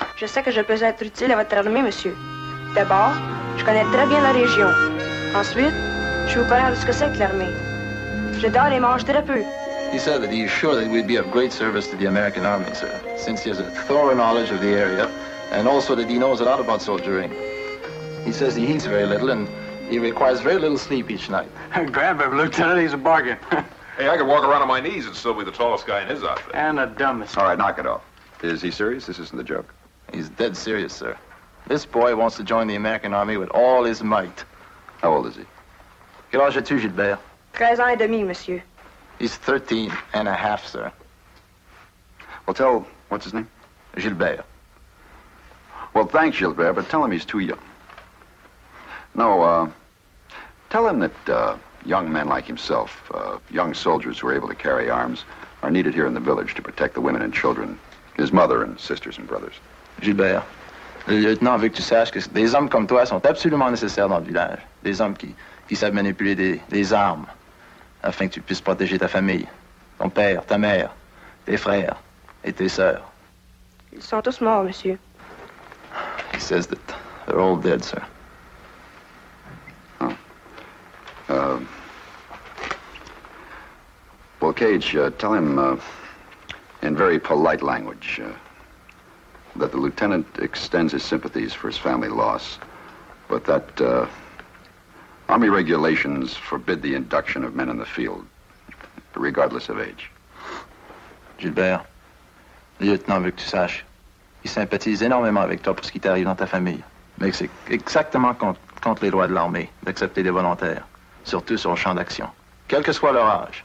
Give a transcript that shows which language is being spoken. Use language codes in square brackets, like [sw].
[fr] Je sais que je peux être utile à votre armée, monsieur. D'abord, je connais très bien la région. Ensuite, je vous connais ce que c'est que l'armée. Je dors et mange très peu. [en] He said that he is sure that he would be of great service to the American army, sir, since he has a thorough knowledge of the area, and also that he knows a lot about soldiering. He says he eats very little and he requires very little sleep each night. Grandpa, Lieutenant, he's a bargain. Hey, I could walk around on my knees and still be the tallest guy in his outfit. And the dumbest. All right, knock it off. Is he serious? This isn't a joke. He's dead serious, sir. This boy wants to join the American army with all his might. How old is he? [fr] Quel âge as-tu, Gilbert? 13 ans et demi, monsieur. [en] He's 13 and a half, sir. Well, tell, what's his name? Gilbert. Well, thanks, Gilbert, but tell him he's too young. No, tell him that young men like himself, young soldiers who are able to carry arms, are needed here in the village to protect the women and children, his mother and sisters and brothers. [fr] Gilbert, le lieutenant veut que tu saches que des hommes comme toi sont absolument nécessaires dans le village. Des hommes qui savent manipuler des armes afin que tu puisses protéger ta famille, ton père, ta mère, tes frères et tes sœurs. Ils sont tous morts, monsieur. [en] He says that they're all dead, sir. Well, Cage, tell him in very polite language that the lieutenant extends his sympathies for his family loss, but that army regulations forbid the induction of men in the field, regardless of age. [fr] Gilbert, lieutenant veut que tu saches, il sympathise énormément avec toi pour ce qui t'arrive dans ta famille, mais c'est exactement contre les lois de l'armée d'accepter des volontaires. Surtout sur le champ d'action, quel que soit leur âge.